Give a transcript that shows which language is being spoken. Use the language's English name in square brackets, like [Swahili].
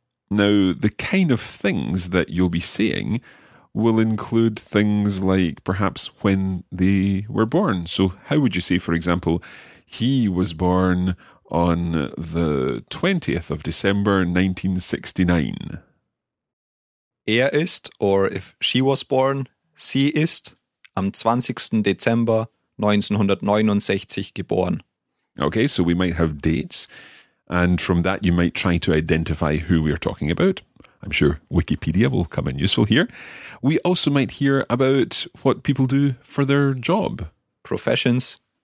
[English] Now, the kind of things that you'll be saying will include things like perhaps when they were born. So how would you say, for example, he was born on the 20th of December, 1969. [German] Er ist, [English] or if she was born, [German] sie ist am 20. Dezember 1969 geboren. [English] Okay, so we might have dates, and from that you might try to identify who we are talking about. I'm sure Wikipedia will come in useful here. We also might hear about what people do for their job. Professions.